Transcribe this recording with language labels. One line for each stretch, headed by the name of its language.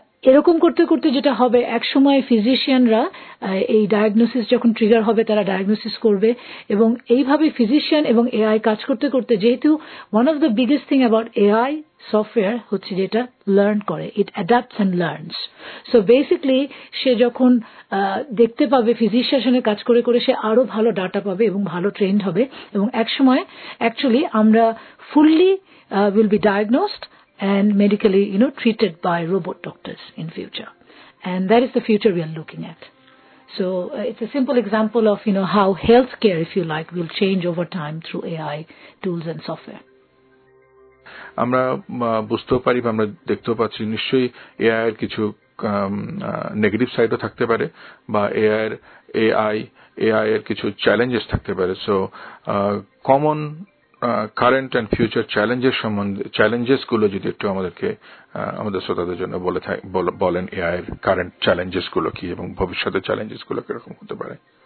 Bangla: এরকম করতে করতে যেটা হবে, এক সময় ফিজিশিয়ানরা এই ডায়াগনোসিস যখন ট্রিগার হবে তারা ডায়াগনোসিস করবে, এবং এইভাবে ফিজিশিয়ান এবং এআই কাজ করতে করতে, যেহেতু
English: one of the biggest thing about
Bangla: AI software হচ্ছে যেটা লার্ন করে,
English: it adapts and learns,
Bangla: সো বেসিক্যালি সে যখন দেখতে পাবে ফিজিশিয়ানের সঙ্গে কাজ করে করে সে আরো ভালো ডাটা পাবে এবং ভালো ট্রেন্ড হবে, এবং একসময় অ্যাকচুয়ালি আমরা fully
English: Will be diagnosed and medically, you know, treated by robot doctors in future. And that is the future we are looking at. So it's a simple example of, you know, how healthcare, if you like, will change over time through AI tools and software.
Bangla: আমরা বুঝতেও পারি বা আমরা দেখতেও পাচ্ছি নিশ্চয়ই AI এর কিছু নেগেটিভ সাইডও থাকতে পারে বা এআই এর কিছু চ্যালেঞ্জেস থাকতে পারে. So common current and future চ্যালেঞ্জের সম্বন্ধে চ্যালেঞ্জেসগুলো যদি একটু আমাদেরকে আমাদের শ্রোতাদের জন্য বলেন, এআই এর কারেন্ট চ্যালেঞ্জেসগুলো কি এবং ভবিষ্যতের চ্যালেঞ্জেসগুলো কিরকম হতে পারে?